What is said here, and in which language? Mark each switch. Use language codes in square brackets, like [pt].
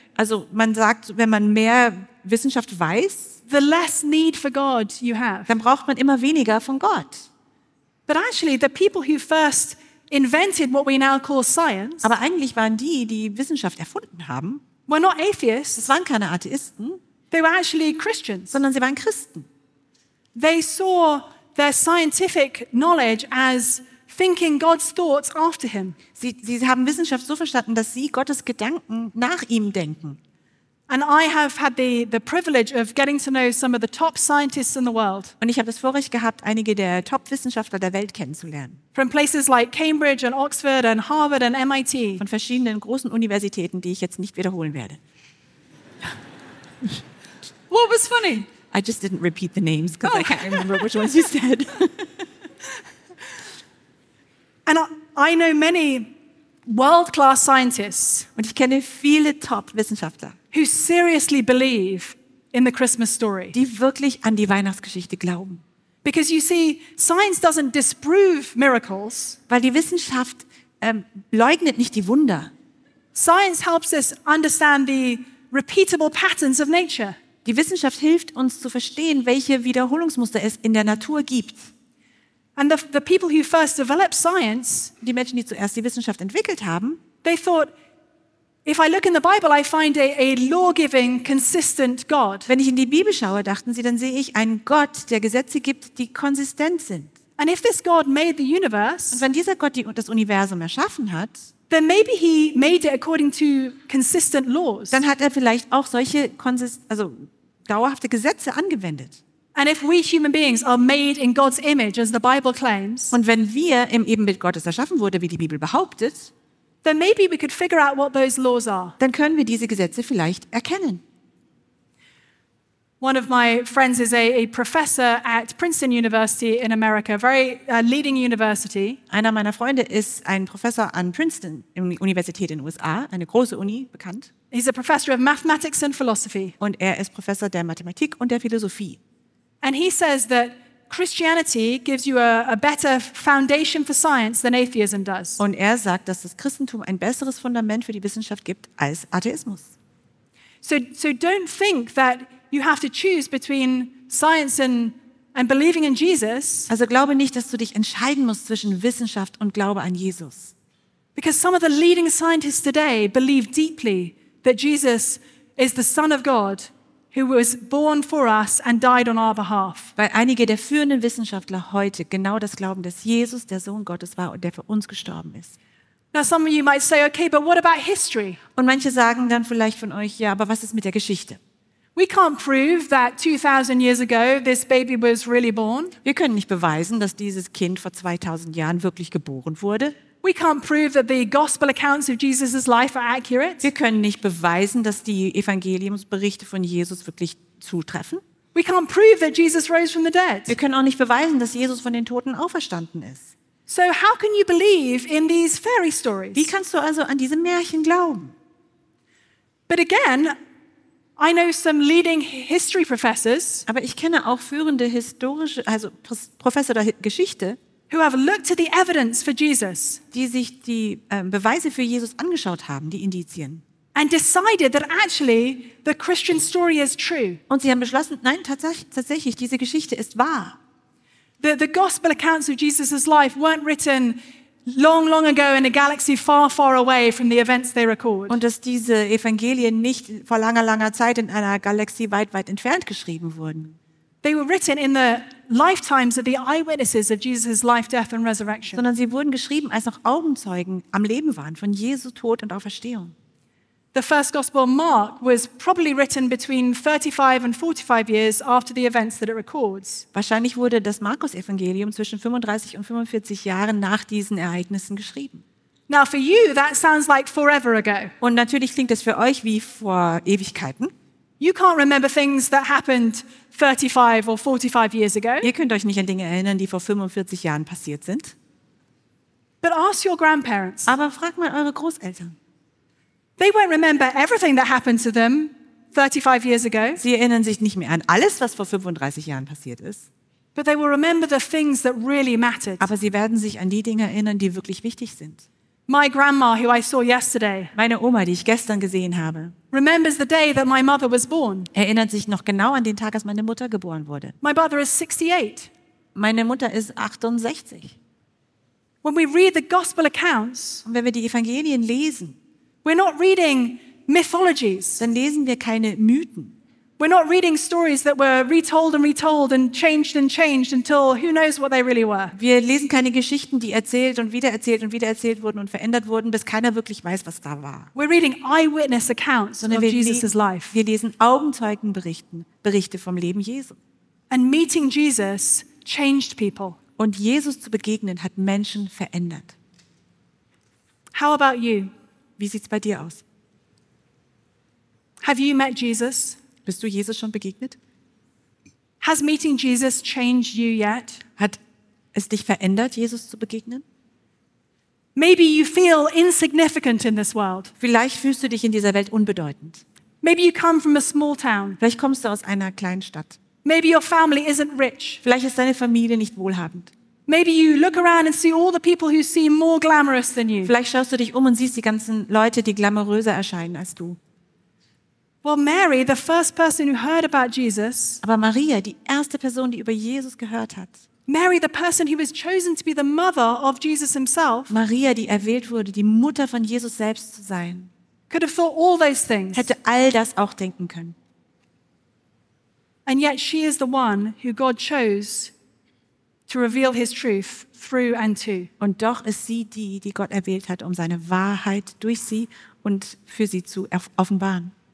[de] also man sagt, wenn man mehr Wissenschaft weiß, [en] the less need for God you have. [de] Dann braucht man immer weniger von Gott. [en] But actually, the people who first invented what we now call science, [de] aber eigentlich waren die, die Wissenschaft erfunden haben, [en] were not atheists. [de] Es waren keine Atheisten. [en] They were actually Christians. [de] Sondern sie waren Christen. [en] They saw their scientific knowledge as thinking God's thoughts after him. [de] Sie haben Wissenschaft so verstanden, dass sie Gottes Gedanken nach ihm denken. [en] And I have had the privilege of getting to know some of the top scientists in the world. [de] Und ich habe das Vorrecht gehabt, einige der Top-Wissenschaftler der Welt kennenzulernen. [en] From places like Cambridge and Oxford and Harvard and MIT. [de] Von verschiedenen großen Universitäten, die ich jetzt nicht wiederholen werde. [en] What was funny? I just didn't repeat the names because I can't remember which ones you said. And I know many world-class scientists. [de] Und ich kenne viele Top-Wissenschaftler. [en] Who seriously believe in the Christmas story? [de] Die wirklich an die Weihnachtsgeschichte glauben. [en] Because you see, science doesn't disprove miracles. [de] Weil die Wissenschaft leugnet nicht die Wunder. [en] Science helps us understand the repeatable patterns of nature. [de] Die Wissenschaft hilft uns zu verstehen, welche Wiederholungsmuster es in der Natur gibt. [en] And the people who first developed science, [de] die Menschen, die zuerst die Wissenschaft entwickelt haben, [en] they thought, if I look in the Bible, I find a law-giving, consistent God. [de] Wenn ich in die Bibel schaue, dachten sie, dann sehe ich einen Gott, der Gesetze gibt, die konsistent sind. [en] And if this God made the universe, [de] und wenn dieser Gott das Universum erschaffen hat, [en] then maybe he made it according to consistent laws. [de] Dann hat er vielleicht auch solche dauerhafte Gesetze angewendet. [en] And if we human beings are made in God's image, as the Bible claims, [de] und wenn wir im Ebenbild Gottes erschaffen wurden, wie die Bibel behauptet, [en] then maybe we could figure out what those laws are. [de] Dann können wir diese Gesetze vielleicht erkennen. [en] One of my friends is a professor at Princeton University in America, a very leading university. [de] Einer meiner Freunde ist ein Professor an Princeton, Universität in USA, eine große Uni, bekannt. [en] He's a professor of mathematics and philosophy. [de] Und er ist Professor der Mathematik und der Philosophie. [en] And he says that Christianity gives you a better foundation for science than atheism does. [de] Und er sagt, dass das Christentum ein besseres Fundament für die Wissenschaft gibt als Atheismus. [en] So don't think that you have to choose between science and believing in Jesus. [de] Also glaube nicht, dass du dich entscheiden musst zwischen Wissenschaft und Glaube an Jesus. [en] Because some of the leading scientists today believe deeply that Jesus is the Son of God. Who was born for us and died on our behalf. [de] Weil einige der führenden Wissenschaftler heute genau das glauben, dass Jesus der Sohn Gottes war und der für uns gestorben ist. [en] Now some of you might say, okay, but what about history? [de] Und manche sagen dann vielleicht von euch, ja, aber was ist mit der Geschichte? [en] We can't prove that 2000 years ago this baby was really born. [de] Wir können nicht beweisen, dass dieses Kind vor 2000 Jahren wirklich geboren wurde. [en] We can't prove that the gospel accounts of Jesus' life are accurate. [de] Wir können nicht beweisen, dass die Evangeliumsberichte von Jesus wirklich zutreffen. [en] We can't prove that Jesus rose from the dead. [de] Wir können auch nicht beweisen, dass Jesus von den Toten auferstanden ist. [en] So how can you believe in these fairy stories? [de] Wie kannst du also an diese Märchen glauben? [en] But again, I know some leading history professors. [de] Aber ich kenne auch führende historische, also Professor der Geschichte, [en] who have looked at the evidence for Jesus, [de] die sich die Beweise für Jesus angeschaut haben, die Indizien, [en] and decided that actually the Christian story is true. [de] Und sie haben beschlossen, nein, tatsächlich, diese Geschichte ist wahr. [en] The gospel accounts of Jesus' life weren't written long, long ago in a galaxy far, far away from the events they record. [de] Und dass diese Evangelien nicht vor langer, langer Zeit in einer Galaxie weit, weit entfernt geschrieben wurden. [en] They were written in the lifetimes of the eyewitnesses of Jesus' life, death and resurrection. [de] Sondern sie wurden geschrieben, als noch Augenzeugen am Leben waren von Jesu Tod und Auferstehung. [en] The first gospel, Mark, was probably written between 35 and 45 years after the events that it records. [de] Wahrscheinlich wurde das Markus-Evangelium zwischen 35 und 45 Jahren nach diesen Ereignissen geschrieben. [en] Now for you, that sounds like forever ago. [de] Und natürlich klingt das für euch wie vor Ewigkeiten. [en] You can't remember things that happened 35 or 45 years ago. [de] Ihr könnt euch nicht an Dinge erinnern, die vor 45 Jahren passiert sind. [en] But ask your grandparents. [de] Aber frag mal eure Großeltern. [en] They won't remember everything that happened to them 35 years ago. [de] Sie erinnern sich nicht mehr an alles, was vor 35 Jahren passiert ist. [en] But they will remember the things that really mattered. [de] Aber sie werden sich an die Dinge erinnern, die wirklich wichtig sind. [en] My grandma, who I saw yesterday, [de] meine Oma, die ich gestern gesehen habe, [en] remembers the day that my mother was born. [de] Erinnert sich noch genau an den Tag, als meine Mutter geboren wurde. [en] My brother is 68. [de] Meine Mutter ist 68. [en] When we read the gospel accounts, [de] und wenn wir die Evangelien lesen, [en] we're not reading mythologies. [de] Dann lesen wir keine Mythen. [en] We're not reading stories that were retold and retold and changed until who knows what they really were. [de] Wir lesen keine Geschichten, die erzählt und wieder erzählt und wieder erzählt wurden und verändert wurden, bis keiner wirklich weiß, was da war. [en] We're reading eyewitness accounts of Jesus's life. [de] Wir lesen Augenzeugenberichten, Berichte vom Leben Jesu. [en] And meeting Jesus changed people. [de] Und Jesus zu begegnen hat Menschen verändert. [en] How about you? [de] Wie sieht's bei dir aus? [en] Have you met Jesus? [de] Bist du Jesus schon begegnet? [en] Has meeting Jesus changed you yet? [de] Hat es dich verändert, Jesus zu begegnen? [en] Maybe you feel insignificant in this world. [de] Vielleicht fühlst du dich in dieser Welt unbedeutend. [en] Maybe you come from a small town. [de] Vielleicht kommst du aus einer kleinen Stadt. [en] Maybe your family isn't rich. [de] Vielleicht ist deine Familie nicht wohlhabend. [en] Maybe you look around and see all the people who seem more glamorous than you. [de] Vielleicht schaust du dich um und siehst die ganzen Leute, die glamouröser erscheinen als du. [en] Well, Mary, the first person who heard about Jesus. [de] Aber Maria, die erste Person, die über Jesus gehört hat. [en] Mary, the person who was chosen to be the mother of Jesus himself. [de] Maria, die erwählt wurde, die Mutter von Jesus selbst zu sein. [en] Could have thought all those things. [de] Hätte all das auch denken können. [en] And yet she is the one who God chose to reveal his truth through and to. [de] Und doch ist sie die, die Gott erwählt hat, um seine Wahrheit durch sie und für sie zu offenbaren.